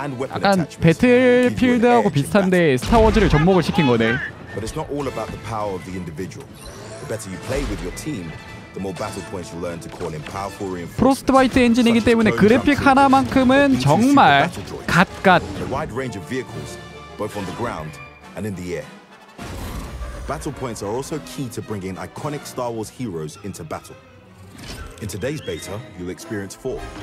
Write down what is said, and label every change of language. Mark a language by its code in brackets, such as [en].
[ko] 약간 배틀필드하고 비슷한데 스타워즈를 접목을 시킨 거네. [en] But it's not all about the power of the individual. The better you play with your team, the more battle points you learn to call in powerful reinforcements. [ko] 프로스트바이트 엔진이기 때문에 그래픽 하나만큼은 정말 갓갓. [en] A wide range of vehicles, both on the ground and in the air. Battle points are also key to bringing iconic Star Wars heroes into battle. In today's beta, you'll experience four.